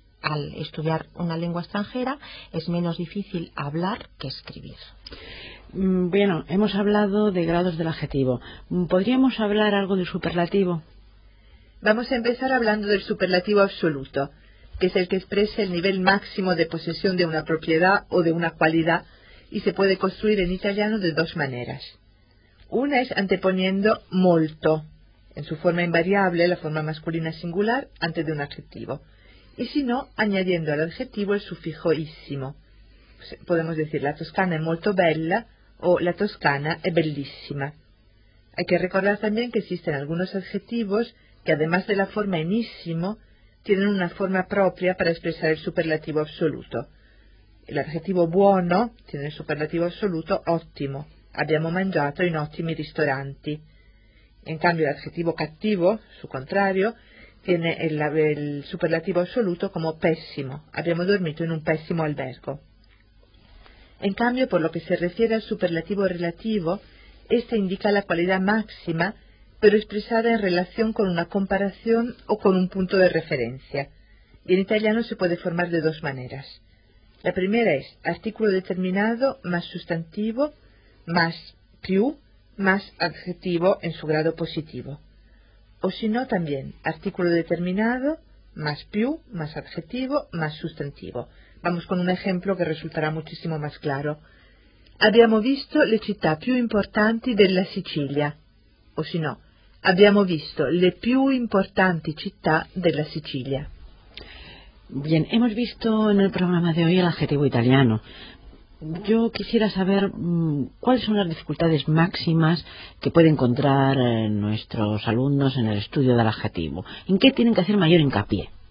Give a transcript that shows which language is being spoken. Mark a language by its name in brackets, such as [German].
[Spanish] Al estudiar una lengua extranjera es menos difícil hablar que escribir. Bueno, hemos hablado de grados del adjetivo. ¿Podríamos hablar algo del superlativo? Vamos a empezar hablando del superlativo absoluto, que es el que expresa el nivel máximo de posesión de una propiedad o de una cualidad, y se puede construir en italiano de dos maneras. Una es anteponiendo molto, en su forma invariable, la forma masculina singular, antes de un adjetivo. Y si no, añadiendo al adjetivo el sufijo -ísimo. Podemos decir, [Italian] la Toscana è molto bella o la Toscana è bellissima. [Spanish] Hay que recordar también que existen algunos adjetivos que, además de la forma en -ísimo, tienen una forma propia para expresar el superlativo absoluto. El adjetivo buono tiene el superlativo absoluto ottimo. [Italian] Abbiamo mangiato in ottimi ristoranti. [Spanish] En cambio, el adjetivo cattivo, su contrario, tiene el superlativo absoluto como pésimo. [Italian] Abbiamo dormito in un pésimo albergo. [Spanish] En cambio, por lo que se refiere al superlativo relativo, este indica la cualidad máxima, pero expresada en relación con una comparación o con un punto de referencia. Y en italiano se puede formar de dos maneras. La primera es artículo determinado más sustantivo más più más adjetivo en su grado positivo. O si no, también artículo determinado más più más adjetivo más sustantivo. Vamos con un ejemplo que resultará muchísimo más claro. [Italian] Abbiamo visto le città più importanti della Sicilia. O si no, abbiamo visto le più importanti città della Sicilia. [Spanish] Bien, hemos visto en el programa de hoy el adjetivo italiano. Yo quisiera saber cuáles son las dificultades máximas que pueden encontrar nuestros alumnos en el estudio del adjetivo. ¿En qué tienen que hacer mayor hincapié?